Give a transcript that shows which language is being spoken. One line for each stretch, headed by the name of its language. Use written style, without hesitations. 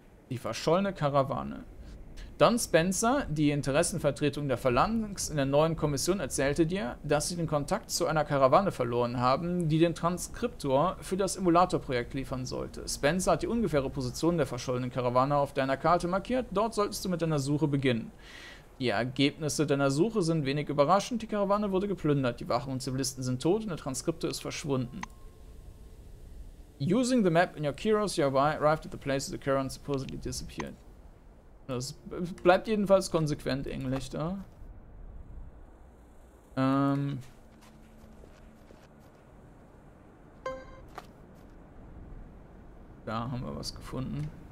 German: Die verschollene Karawane. Don Spencer, die Interessenvertretung der Phalanx in der neuen Kommission, erzählte dir, dass sie den Kontakt zu einer Karawane verloren haben, die den Transkriptor für das Emulator-Projekt liefern sollte. Spencer hat die ungefähre Position der verschollenen Karawane auf deiner Karte markiert. Dort solltest du mit deiner Suche beginnen. Die Ergebnisse deiner Suche sind wenig überraschend. Die Karawane wurde geplündert. Die Wachen und Zivilisten sind tot und der Transkriptor ist verschwunden.
English: Using the map in your Kiros, you arrived at the place the Karawane supposedly disappeared.
German: Das bleibt jedenfalls konsequent Englisch da. Da haben wir was gefunden.